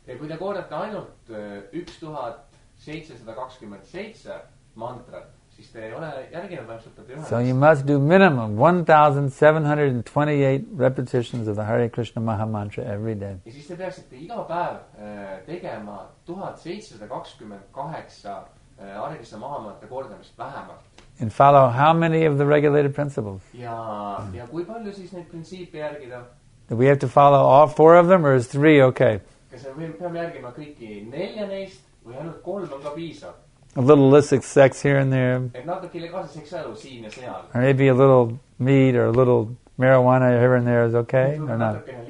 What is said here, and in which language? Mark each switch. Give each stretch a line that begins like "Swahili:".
Estonian: Ja kui te kordate ainult 1,727 mantrat, siis te ei ole järginud vaimsõpetaja.
English: So you must do minimum 1,728 repetitions of the Hare Krishna Maha Mantra every day.
Estonian: Ja siis te peaksite iga päev tegema 1,728 Hare Krishna Maha Mantra kordamist vähemalt.
English: And follow how many of the regulated principles?
Estonian: Ja kui palju siis neid printsiipe järgida?
English: Do we have to follow all four of them or is three okay?
Estonian: Kas me peame järgima kõiki nelja neist või ainult kolm on ka piisav?
English: A little illicit sex here and there. Or maybe a little meat or a little marijuana here and there is okay or not?